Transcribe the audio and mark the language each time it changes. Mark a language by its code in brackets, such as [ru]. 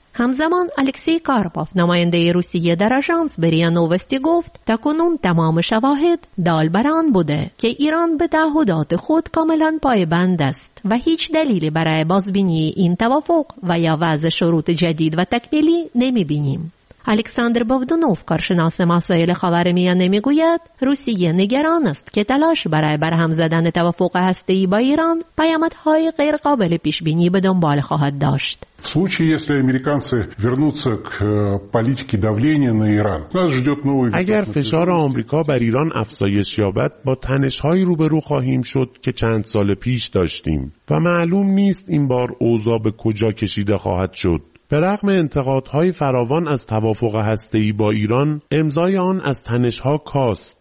[fa] همزمان الکسی کارپوف، نماینده روسیه در آژانس بریا نوستی گفت تاکنون تمام شواهد دال بر آن بوده که ایران به تعهدات خود کاملا پایبند است و هیچ دلیلی برای بازبینی این توافق و یا وضع شروط جدید و تکمیلی نمی‌بینیم. الکساندر بودونوف، کارشناس مسائل خاورمیانه، میگوید روسیه نگران است که تلاش برای برهم زدن توافق هسته‌ای با ایران پیامدهای غیر قابل پیش بینی به دنبال خواهد داشت. [ru] В случае, если американцы вернутся к политике давления на Иран, нас ждёт новый. [fa] اگر فشار آمریکا بر ایران افزایش یابد، با تنش‌های روبرو خواهیم شد که چند سال پیش داشتیم و معلوم نیست این بار اوضاع به کجا کشیده خواهد شد. به رغم انتقادهای فراوان از توافق هسته‌ای با ایران، امضای آن از تنش‌ها کاست.